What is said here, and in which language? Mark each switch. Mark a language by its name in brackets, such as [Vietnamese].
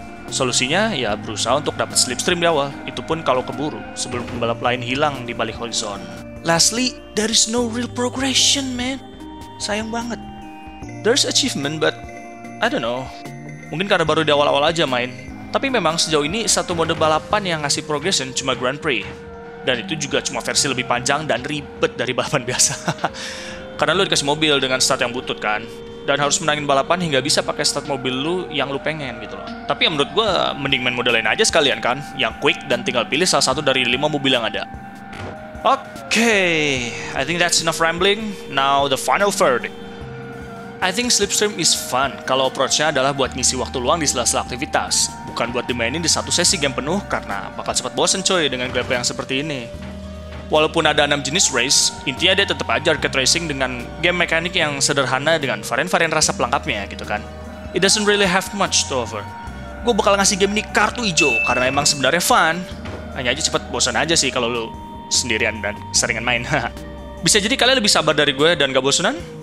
[Indonesian] Solusinya, ya berusaha untuk dapat slipstream di awal, itu pun kalau keburu, sebelum pembalap lain hilang di balik horizon. [English] Lastly, there is no real progression, man. [Indonesian] Sayang banget. [English] There's achievement, but I don't know. [Indonesian] Mungkin karena baru di awal-awal aja main. Tapi memang sejauh ini, satu mode balapan yang ngasih progression cuma Grand Prix. Dan itu juga cuma versi lebih panjang dan ribet dari balapan biasa. Karena lu dikasih mobil dengan start yang butut kan, dan harus menangin balapan hingga bisa pakai start mobil lu yang lu pengen gitu loh. Tapi ya menurut gua, mending main mode lain aja sekalian kan, yang quick dan tinggal pilih salah satu dari 5 mobil yang ada. [English] Okay, I think that's enough rambling. Now the final verdict. I think Slipstream is fun [Indonesian] kalau approach-nya adalah buat ngisi waktu luang di sela-sela aktivitas, bukan buat dimainin di satu sesi game penuh karena bakal cepat bosen coy dengan gameplay yang seperti ini. Walaupun ada 6 jenis race, intinya dia tetap aja arcade racing dengan game mekanik yang sederhana dengan varian-varian rasa pelengkapnya gitu kan. [English] It doesn't really have much to offer. [Indonesian] Gua bakal ngasih game ini kartu hijau karena emang sebenarnya fun. Hanya aja cepat bosan aja sih kalau lu sendirian dan seringan main. Bisa jadi kalian lebih sabar dari gue dan gak bosanan?